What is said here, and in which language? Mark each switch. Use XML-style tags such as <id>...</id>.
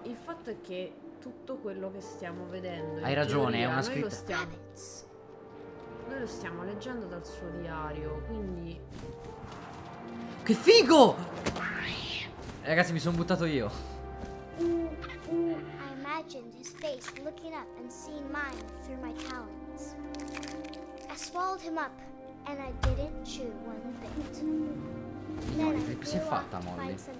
<it>Il fatto è che tutto quello che stiamo vedendo, hai ragione, teoria, è una scritta. Noi lo stiamo leggendo dal suo diario, quindi che figo. Ragazzi, mi sono buttato io.</it> <en>I imagined his face looking up and seeing mine through my talons. I swallowed him up and I didn't chew one bit.</en> <it>Molly, che si è fatta Molly?</it>